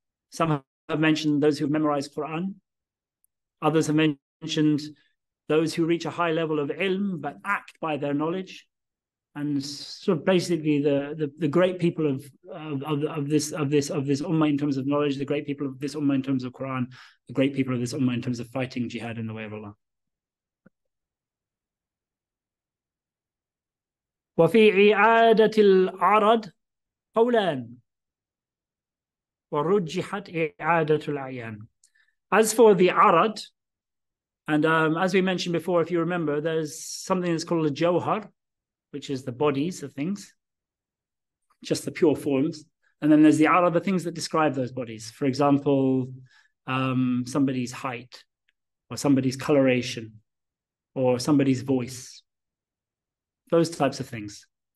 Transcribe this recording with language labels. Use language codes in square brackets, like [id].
[en] Some have mentioned those who memorize Quran. Others have mentioned those who reach a high level of ilm but act by their knowledge. And sort of basically the great people of this ummah in terms of knowledge, the great people of this ummah in terms of Quran, the great people of this ummah in terms of fighting jihad in the way of Allah. [ar] وفي إعادة العرض قولان ورجحت إعادة العيان. [en] As for the arad, and as we mentioned before, if you remember, there's something that's called a johar, which is the bodies of things, just the pure forms. And then there's the arad, the things that describe those bodies. For example, somebody's height, or somebody's coloration, or somebody's voice. Those types of things.